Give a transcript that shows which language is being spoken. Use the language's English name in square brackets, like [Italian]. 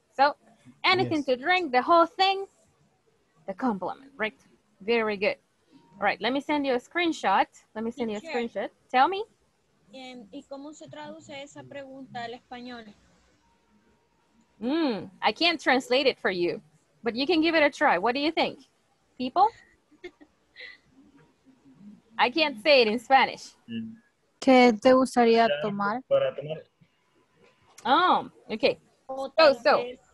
[English] So anything to drink, the whole thing, the compliment, right? Very good. All right, let me send you a screenshot. Tell me. [Spanish] ¿Y cómo se traduce esa pregunta al español? [English] I can't translate it for you, but you can give it a try. What do you think? People? I can't say it in Spanish. [Spanish] ¿Qué te gustaría tomar? Para tomar. [English] Oh, okay. So.